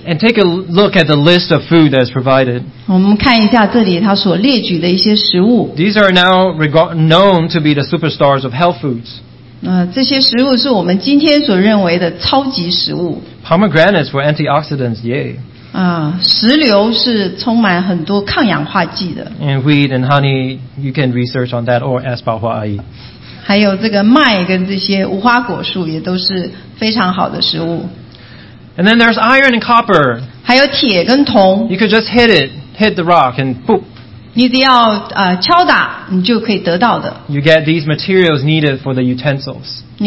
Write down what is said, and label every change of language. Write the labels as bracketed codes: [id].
[en] And take a look at the list of food that is provided. [zh] 我们看一下这里他所列举的一些食物。 [en] These are now known to be the superstars of health foods. [zh] 这些食物是我们今天所认为的超级食物。 [en] Pomegranates were antioxidants, yay. [zh] 石榴是充满很多抗氧化剂的。 [en] And wheat and honey, you can research on that or ask Bao Hua Ai. [zh] 还有这个麦跟这些无花果树也都是非常好的食物。 [en] And then there's iron and copper. [zh] 还有铁跟铜。 [en] You could just hit it, hit the rock and boop. [zh] 你只要敲打,你就可以得到的。 [en] You get these materials needed for the utensils.